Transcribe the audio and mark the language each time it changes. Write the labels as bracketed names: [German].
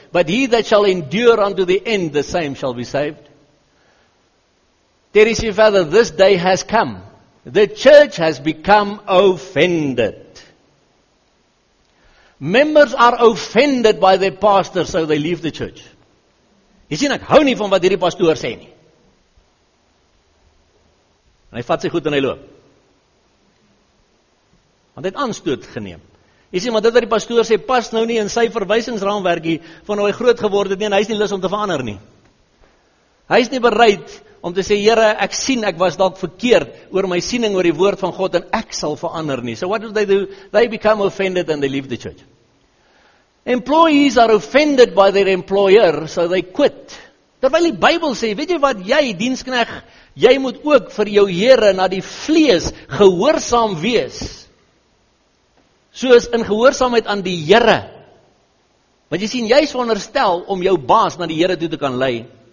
[English] But he that shall endure unto the end, the same shall be saved. [Afrikaans] Teresie verder, [English] this day has come. The church has become offended. Members are offended by their pastor, so they leave the church. [Afrikaans] Jy sien, ek hou nie van wat hierdie pastoor sê nie. En hy vat sy goed en hy loop. Want hy het aanstoot geneem. Jy sien, maar dit wat die pastoor sê, pas nou nie in sy verwysingsraamwerkie van hoe hy groot geword het nie, en hy is nie lus om te verander nie. Hy is nie bereid om te sê, Here, ek sien, ek was dalk verkeerd oor my siening oor die woord van God, en ek sal verander nie. [English] So what do they do? They become offended and they leave the church. Employees are offended by their employer, so they quit. [Afrikaans] Terwyl die Bybel sê, weet jy wat, jy, dienskneg, jy moet ook vir jou Here na die vlees gehoorsaam wees. Soos in gehoorsaamheid aan die Here. Want jy sien, jy is veronderstel om jou baas na die Here toe te kan lei.